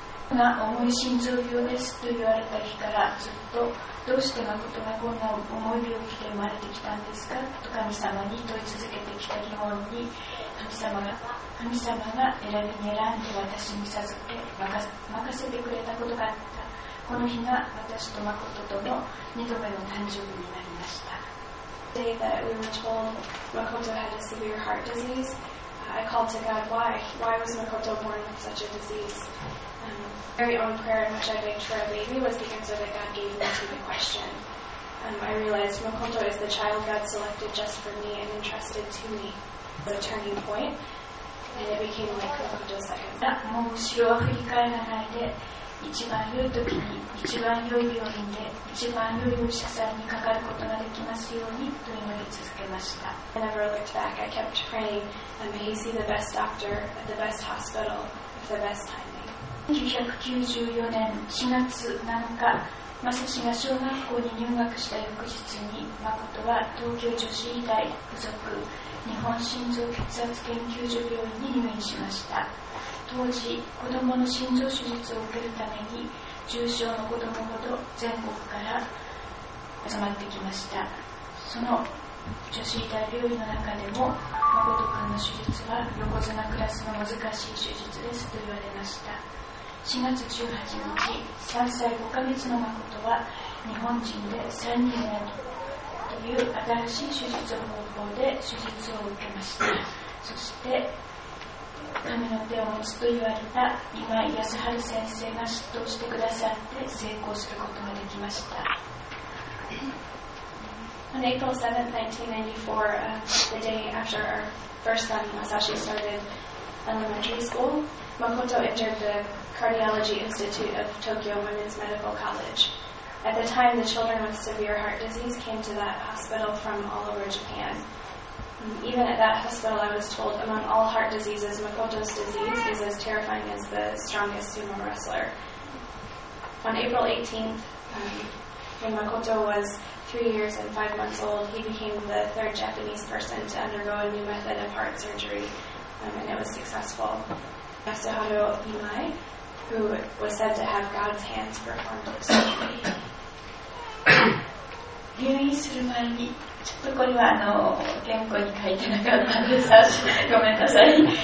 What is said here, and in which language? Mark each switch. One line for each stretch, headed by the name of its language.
Japanese: が重い心臓病ですと言われた日から、ずっとどうして誠がこんな重い病気で生まれてきたんですかと神様に問い続けてきた疑問に、神様が選びに選んで私に授け任せてくれたことがあった。この日が私と誠との2度目の誕生日になりました。
English: The day that we were told Makoto had a severe heart disease, I called to God, why was Makoto born with such a disease? The very own prayer in which I begged for a baby was the answer that God gave me to the question. I realized Makoto is the child God selected just for me and entrusted to me. It was a turning point, and it became like Makoto's second.
Japanese: もう後ろは振り返らないで、一番良い時に、一番良い病院で、一番良いお医者さんにかかることができますようにと祈り続けました。
English: I never looked back. I kept praying, and may he see the best doctor at the best hospital at the best time.
Japanese: 1994年4月7日、マサシが小学校に入学した翌日に、誠は東京女子医大附属日本心臓血圧研究所病院に入院しました。当時、子どもの心臓手術を受けるために、重症の子どもほど全国から集まってきました。その女子医大病院の中でも、誠くんの手術は横綱クラスの難しい手術ですと言われました。 4月18日、3歳5ヶ月の誠は日本人で3人目という新しい手術方法で手術を受けました。そして神の手を持つと言われた今井康晴先生が執刀してくださって成功することができました。
English: On April 7th, 1994, the day after our first son Masashi started elementary school, Makoto entered the Cardiology Institute of Tokyo Women's Medical College. At the time, the children with severe heart disease came to that hospital from all over Japan. Even at that hospital, I was told, among all heart diseases, Makoto's disease is as terrifying as the strongest sumo wrestler. On April 18th, when Makoto was 3 years and 5 months old, he became the third Japanese person to undergo a new method of heart surgery, and it was successful. Yasuharu Imai, who was said to have God's hands, performed the surgery.
Japanese: 入院する前に、ちょっとこれは原稿に書いてなかったんです。ごめんなさい。